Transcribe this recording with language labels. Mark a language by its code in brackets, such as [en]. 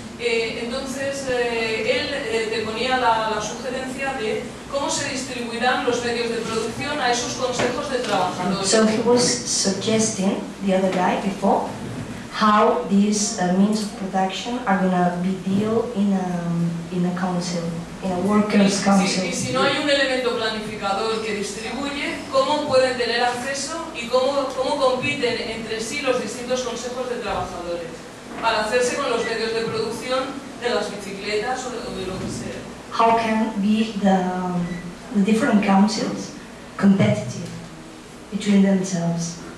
[es] Entonces él te ponía la sugerencia de cómo se distribuirán los medios de producción a esos consejos de trabajadores. [en] So he was suggesting the other guy before. How these means of production are going to be dealt in a council, in a workers' council. [es] Si no hay un elemento planificador que distribuye, ¿cómo pueden tener acceso y cómo compiten entre sí los distintos consejos de trabajadores para hacerse con los medios de producción de las bicicletas o de lo que sea? [en] How can be the different councils competitive between themselves?